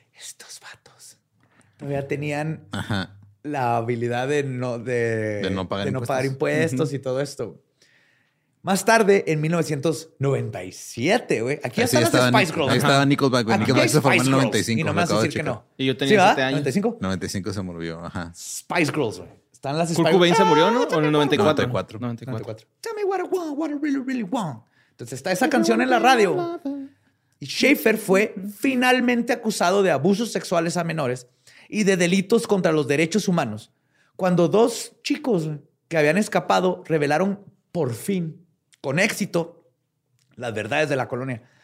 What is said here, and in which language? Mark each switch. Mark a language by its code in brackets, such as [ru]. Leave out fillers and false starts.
[es] Estos vatos todavía tenían la habilidad de no pagar impuestos uh-huh. y todo esto. Más tarde, en 1997, güey. Aquí ya están las Spice Girls. Ahí estaba Nickelback, güey. Nickelback se formó en 95. Y no me vas a decir que no. Y yo tenía 7 años. ¿95? 95 se murió, Spice Girls, güey. Están las Spice Girls. ¿Kurt Cobain se murió, no? ¿O en el 94? 94. [en] Tell me what I want, what I really, really want. [es] Entonces está esa canción en la radio. Y Schaefer fue finalmente acusado de abusos sexuales a menores y de delitos contra los derechos humanos. Cuando dos chicos que habían escapado revelaron por fin, con éxito, las verdades de la colonia.